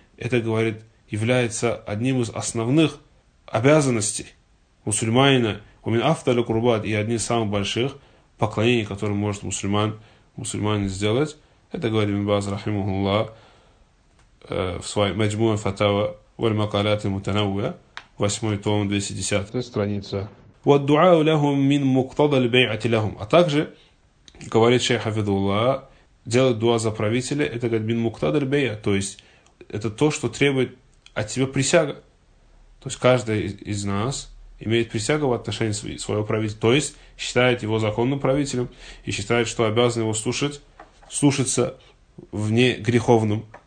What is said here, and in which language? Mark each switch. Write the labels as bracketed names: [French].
[Russian] Это, говорит, является одним из основных обязанностей мусульманина. [Arabic] Умин афдалю курбат, [Russian] и одни из самых больших поклонений, которые может мусульманин сделать. Это, говорит Ибн Баз рахимахуллах в своей Маджмуа фатава валь макалат аль-мутанаввиа, 8 том, 210 страница. [Arabic] والدعاء لهم من مقتضى البيعة لهم. [Russian] А также говорит шейх хафизуллах, делать дуа за правителя, это как [Arabic] бин муктадр бейя, [Russian] то есть это то, что требует от тебя присяга. То есть каждый из нас имеет присягу в отношении своего правителя, то есть считает его законным правителем и считает, что обязан его слушаться в негреховном.